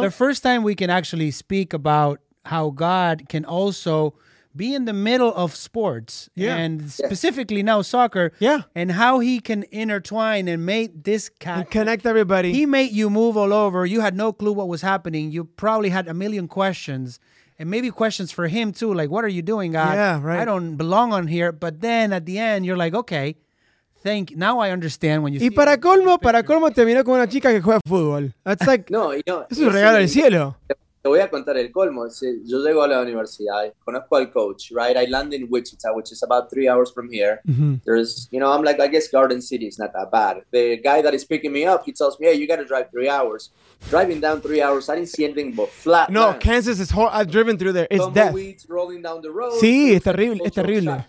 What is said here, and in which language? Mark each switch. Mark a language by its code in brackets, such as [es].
[en] The first time we can actually speak about how God can also be in the middle of sports, and specifically now soccer, and how He can intertwine and make this and connect everybody. He made you move all over. You had no clue what was happening. You probably had a million questions. And maybe questions for him too, like, what are you doing, God? Yeah, right. I don't belong on here. But then at the end, you're like, okay, thank you. Now I understand when you [es] say. Y para colmo, terminó con una chica que juega fútbol. [en] That's like, [es] no, es un regalo del cielo. Te voy a contar el colmo. Yo llego a la universidad, conozco al coach, right? [en] I land in Wichita, which is about 3 hours from here. There's, you know, I'm like, I guess Garden City is not that bad. The guy that is picking me up, he tells me, hey, you got to drive 3 hours. Driving down 3 hours, I didn't see anything but flat. No, man. Kansas is horrible. I've driven through there. It's death. Weeds rolling down the road. [es] Sí, es terrible. Es terrible.